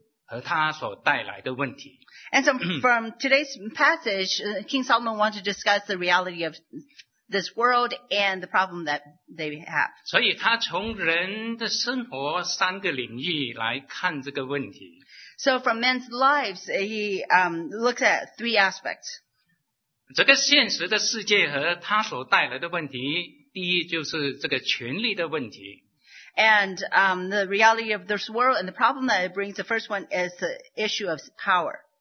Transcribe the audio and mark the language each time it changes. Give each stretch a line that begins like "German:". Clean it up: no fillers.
Chinese: 那么从今天早上我所看的经文，所罗门王要探讨这个现实的世界和他所带来的问题。
English: And so from today's passage, King Solomon wanted to discuss the reality of this world and the problem that they have.
Chinese: 所以他从人的生活三个领域来看这个问题。
English: So from men's lives, he looks at three aspects.
Chinese: 这个现实的世界和他所带来的问题, 第一就是这个权力的问题。
English: And the reality of this world and the problem that it brings, the first one is the issue of power.